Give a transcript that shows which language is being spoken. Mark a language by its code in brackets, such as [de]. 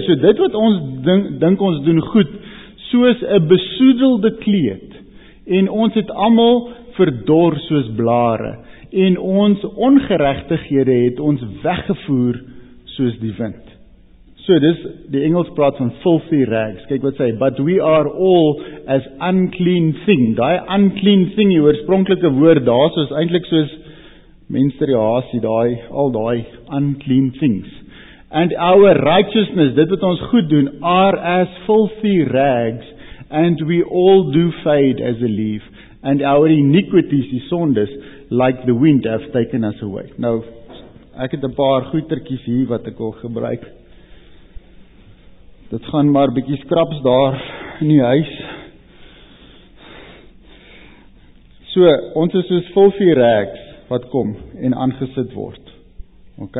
[af] So dit wat ons dink ons doen goed, soos 'n besoedelde kleed. En ons het almal verdor soos blare en ons ongeregtighede het ons weggevoer soos die wind. So dis die Engels praat van [en] filthy rags. [af] Kyk wat sê, [en] but we are all as unclean thing. [af] Daai [en] unclean thing, [af] die oorspronklike woord daar, soos eintlik soos menstruasie, daai al daai [en] unclean things. And our righteousness, [af] dit wat ons goed doen, [en] are as filthy rags, and we all do fade as a leaf, and our iniquities, [af] die sondes, [en] like the wind have taken us away. [af] Nou, ek het 'n paar goetertjies hier wat ek al gebruik. Dit gaan maar bietjie skraps daar in die huis. So, ons is soos [en] filthy rags [af] wat kom en aangesit word. OK?